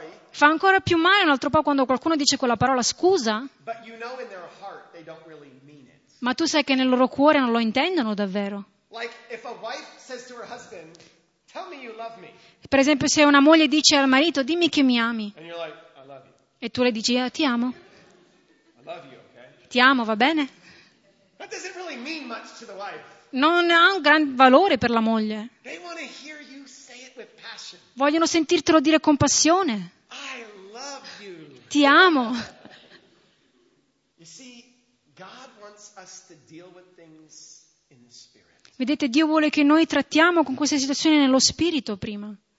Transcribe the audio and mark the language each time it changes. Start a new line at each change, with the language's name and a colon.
Italian: Fa ancora più male un altro po' quando qualcuno dice quella parola scusa.
English: But you know in their heart they don't really mean it.
Italian: Ma tu sai che nel loro cuore non lo intendono davvero.
English: Like if a wife says to her husband, tell me you love me.
Italian: Per esempio, se una moglie dice al marito, dimmi che mi ami.
English: And you're like, I love you.
Italian: E tu le dici, ti amo.
English: I love you, okay?
Italian: Ti amo, va bene?
English: That doesn't really mean much to the wife.
Italian: Non ha un gran valore per la moglie.
English: They want to hear you say it with passion.
Italian: Vogliono sentirtelo dire con passione.
English: I love you.
Italian: Ti amo.
English: You see, God wants us to deal with things in the spirit.
Italian: Vedete, Dio vuole che noi trattiamo con queste situazioni nello spirito prima.